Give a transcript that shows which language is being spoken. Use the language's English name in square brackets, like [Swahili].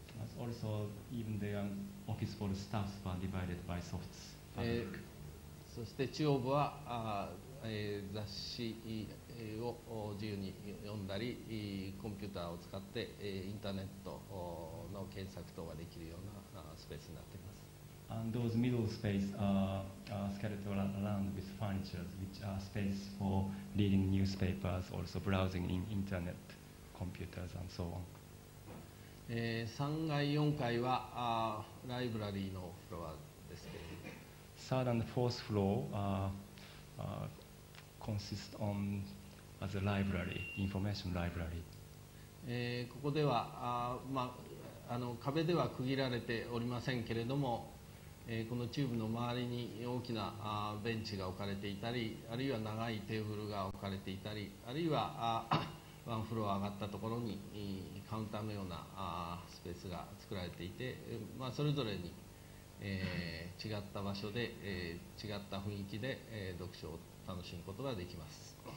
[English] As also even the office for the staffs were divided by soft fabric. [Japanese] そして中央部は雑誌を自由に読んだりコンピューターを使ってインターネットの検索等ができるようなスペースになっています。 [English] And those middle space are scattered around with furniture which are space for reading newspapers also browsing in internet computers and so on。 [Japanese] 3階4階はライブラリーのフロアですけれども、 [English] 3rd and 4th floor consist on as a library, information library. [Japanese] ここでは、壁では区切られておりませんけれども、このチューブの周りに大きなベンチが置かれていたり、あるいは長いテーブルが置かれていたり、あるいはワンフロア上がったところにカウンターのようなスペースが作られていて、それぞれに違った場所で、違った雰囲気で、読書を楽しむことができます。